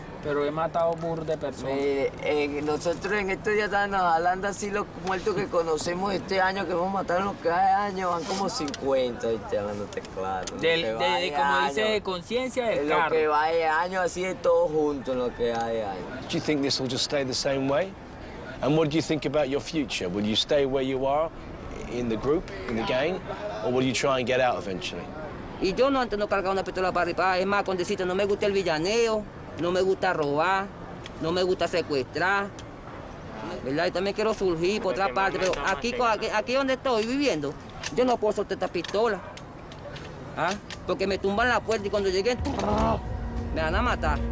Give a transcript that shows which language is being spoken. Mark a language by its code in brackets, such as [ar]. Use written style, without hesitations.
[es] Pero he matado burro de personas. Nosotros en estos días estábamos hablando así, los muertos que conocemos este año, que hemos matado en los cada año, van como 50, ¿viste? Hablándote claro. De como dice, de conciencia, de carro. Lo que va de año, así de todo junto, lo que hay de año. [en] Do you think this will just stay the same way? And what do you think about your future? Will you stay where you are, in the group, in the gang, or will you try and get out eventually? [es] Y yo no, antes no cargaba una pistola para arriba. Es más, con decirte, no me gusta el villaneo. No me gusta robar, no me gusta secuestrar, ¿verdad? Y también quiero surgir por otra parte, pero aquí donde estoy viviendo, yo no puedo soltar esta pistola, ¿ah? Porque me tumban la puerta y cuando llegué, me van a matar.